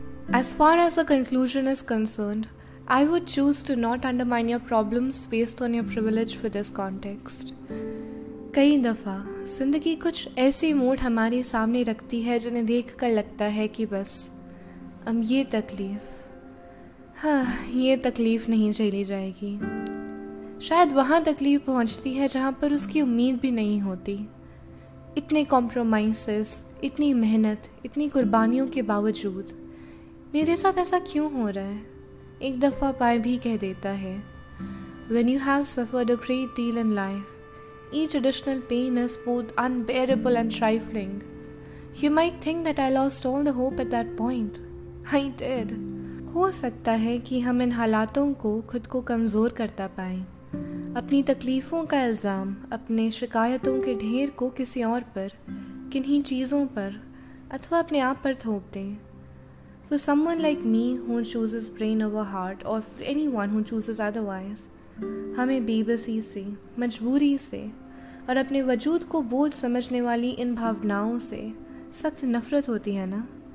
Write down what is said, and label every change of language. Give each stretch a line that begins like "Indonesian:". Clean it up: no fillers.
English: As far as a conclusion is concerned, I would choose to not undermine your problems based on your privilege for this context.
Hindi: कई दफ़ा ज़िंदगी कुछ ऐसे mode हमारे सामने रखती है जिन्हें देख कर लगता है कि बस अब ये तकलीफ़ हाँ ये तकलीफ़ नहीं झेली जाएगी। शायद वहाँ तकलीफ़ पहुँचती है जहाँ पर उसकी उम्मीद भी नहीं होती। इतने कॉम्प्रोमाइसेस, इतनी मेहनत, इतनी कुर्बानियों के बावजूद मेरे साथ ऐसा क्यों हो रहा है? एक दफ़ा पाए भी कह देता है।
English: When you have suffered a great deal in life, each additional pain is both unbearable and trifling. You might think that I lost all the hope at that point. I did.
Hindi: हो सकता है कि हम इन हालातों को खुद को कमज़ोर करता पाएं, अपनी तकलीफ़ों का इल्ज़ाम, अपने शिकायतों के ढेर को किसी और पर, किन्हीं चीज़ों पर अथवा अपने आप पर थोप दें।
English: For someone like me who chooses brain over heart, or for anyone who chooses otherwise,
Hindi: हमें बेबसी से, मजबूरी से और अपने वजूद को बोझ समझने वाली इन भावनाओं से सख्त नफरत होती है ना?